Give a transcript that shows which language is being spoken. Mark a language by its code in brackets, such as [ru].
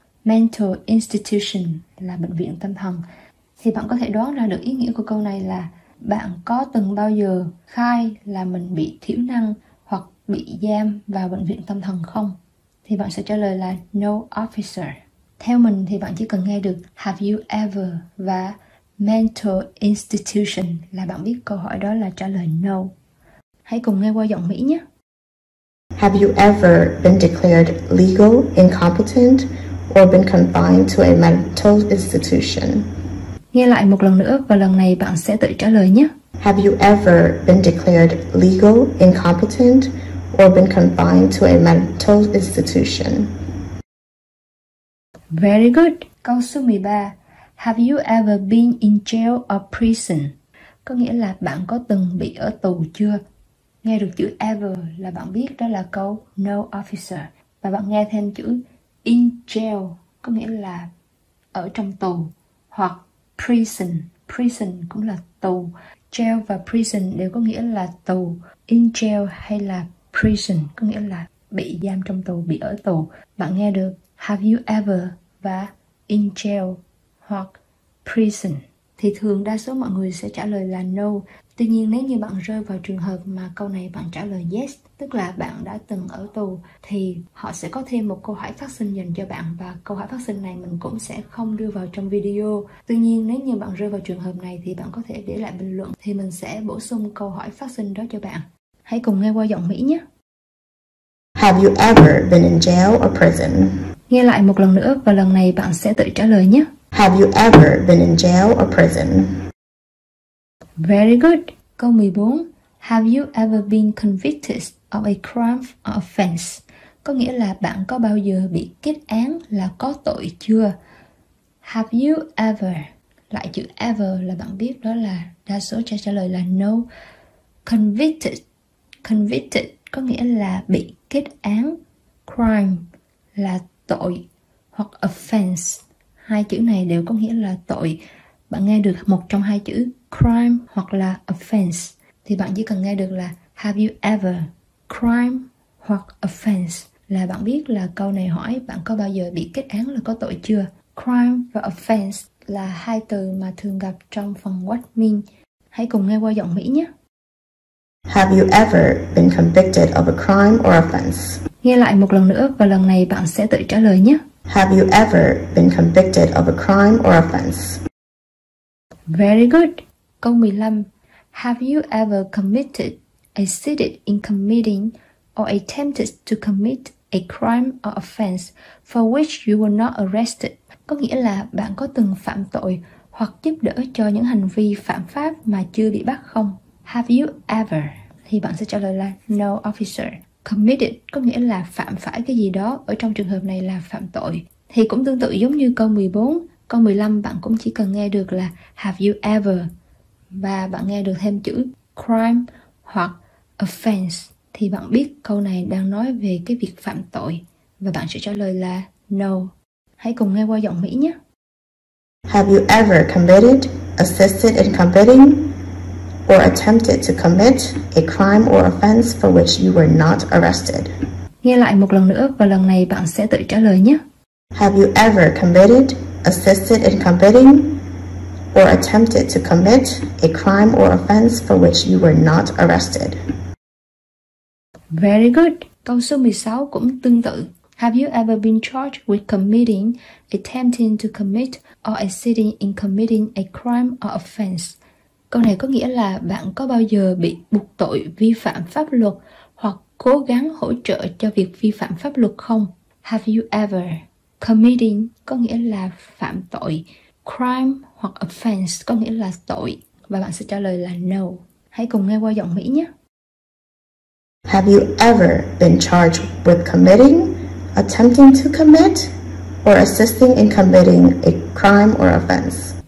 [vi] Mental institution là bệnh viện tâm thần. Thì bạn có thể đoán ra được ý nghĩa của câu này là bạn có từng bao giờ khai là mình bị thiểu năng hoặc bị giam vào bệnh viện tâm thần không? Thì bạn sẽ trả lời là [en] no officer. [vi] Theo mình thì bạn chỉ cần nghe được [en] have you ever [vi] và mental institution là bạn biết câu hỏi đó là trả lời no. Hãy cùng nghe qua giọng Mỹ nhé. [en] Have you ever been declared legal incompetent or been confined to a mental institution? [vi] Nghe lại một lần nữa và lần này bạn sẽ tự trả lời nhé. [en] Have you ever been declared legal incompetent or been confined to a mental institution? Very good. [vi] Câu số 13. [en] Have you ever been in jail or prison? [vi] Có nghĩa là bạn có từng bị ở tù chưa? Nghe được chữ ever là bạn biết đó là câu [en] no officer. [vi] Và bạn nghe thêm chữ in jail có nghĩa là ở trong tù hoặc prison. Prison cũng là tù. Jail và prison đều có nghĩa là tù. In jail hay là prison có nghĩa là bị giam trong tù, bị ở tù. Bạn nghe được [en] have you ever [vi] và in jail hoặc prison. Thì thường đa số mọi người sẽ trả lời là no. Tuy nhiên nếu như bạn rơi vào trường hợp mà câu này bạn trả lời yes, tức là bạn đã từng ở tù, thì họ sẽ có thêm một câu hỏi phát sinh dành cho bạn và câu hỏi phát sinh này mình cũng sẽ không đưa vào trong video. Tuy nhiên nếu như bạn rơi vào trường hợp này thì bạn có thể để lại bình luận thì mình sẽ bổ sung câu hỏi phát sinh đó cho bạn. Hãy cùng nghe qua giọng Mỹ nhé. [en] Have you ever been in jail or prison? [vi] Nghe lại một lần nữa và lần này bạn sẽ tự trả lời nhé. [en] Have you ever been in jail or prison? Very good. [vi] Câu 14. [en] Have you ever been convicted of a crime or offense? [vi] Có nghĩa là bạn có bao giờ bị kết án là có tội chưa? [en] Have you ever? [vi] Lại chữ ever là bạn biết đó là đa số trả lời là no. Convicted. Convicted có nghĩa là bị kết án. Crime là tội, hoặc offense. Hai chữ này đều có nghĩa là tội. Bạn nghe được một trong hai chữ crime hoặc là offense thì bạn chỉ cần nghe được là [en] have you ever crime [vi] hoặc offense là bạn biết là câu này hỏi bạn có bao giờ bị kết án là có tội chưa. Crime và offense là hai từ mà thường gặp trong phần [en] what mean. [vi] Hãy cùng nghe qua giọng Mỹ nhé. [en] Have you ever been convicted of a crime or offense? [vi] Nghe lại một lần nữa và lần này bạn sẽ tự trả lời nhé. [en] Have you ever been convicted of a crime or offense? Very good. [vi] Câu 15. [en] Have you ever committed, assisted in committing, or attempted to commit a crime or offense for which you were not arrested? [vi] Có nghĩa là bạn có từng phạm tội hoặc giúp đỡ cho những hành vi phạm pháp mà chưa bị bắt không? [en] Have you ever? [vi] Thì bạn sẽ trả lời là [en] no, officer. [vi] Committed có nghĩa là phạm phải cái gì đó, ở trong trường hợp này là phạm tội. Thì cũng tương tự giống như câu 14, câu 15 bạn cũng chỉ cần nghe được là [en] have you ever? [vi] Và bạn nghe được thêm chữ crime hoặc offense thì bạn biết câu này đang nói về cái việc phạm tội và bạn sẽ trả lời là no. Hãy cùng nghe qua giọng Mỹ nhé. [en] Have you ever committed, assisted in committing, or attempted to commit a crime or offense for which you were not arrested? [vi] Nghe lại một lần nữa và lần này bạn sẽ tự trả lời nhé. [en] Have you ever committed, assisted in committing, or attempted to commit a crime or offense for which you were not arrested? Very good. [vi] Câu số 16 cũng tương tự. [en] Have you ever been charged with committing, attempting to commit, or assisting in committing a crime or offense? [vi] Câu này có nghĩa là bạn có bao giờ bị buộc tội vi phạm pháp luật hoặc cố gắng hỗ trợ cho việc vi phạm pháp luật không? [en] Have you ever? [vi] Committing có nghĩa là phạm tội. Crime hoặc offense có nghĩa là tội. Và bạn sẽ trả lời là no. Hãy cùng nghe qua giọng Mỹ nhé. [en] Have you ever been charged with committing, attempting to commit, or assisting in committing a crime or offense?